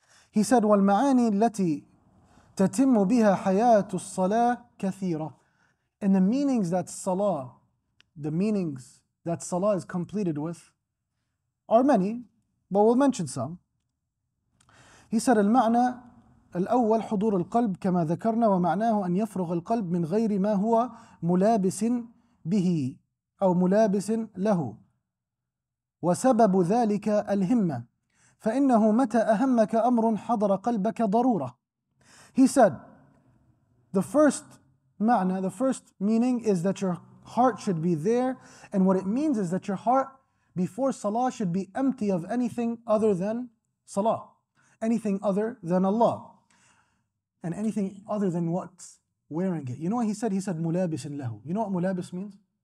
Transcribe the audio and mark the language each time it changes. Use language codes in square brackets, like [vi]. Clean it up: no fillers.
[en] He said, [ar] وَالْمَعَانِي الَّتِي تَتِمُّ بِهَا حَيَاةُ الصَّلَاةِ كَثِيرَةً. [en] And the meanings that salah, the meanings that salah is completed with are many, but we'll mention some. He said, [ar] المعنى الأول حضور القلب كما ذكرنا ومعناه أن يفرغ القلب من غير ما هو ملابس به أو ملابس له وسبب ذلك الهمة فإنه متى أهمك أمر حضر قلبك ضرورة. [en] He said, the first ma'na, the first meaning is that your heart should be there, and what it means is that your heart before salah should be empty of anything other than salah, anything other than Allah, and anything other than what's wearing it. You know what he said? He said [ar] ملابس له. [en] You know what ملابس means?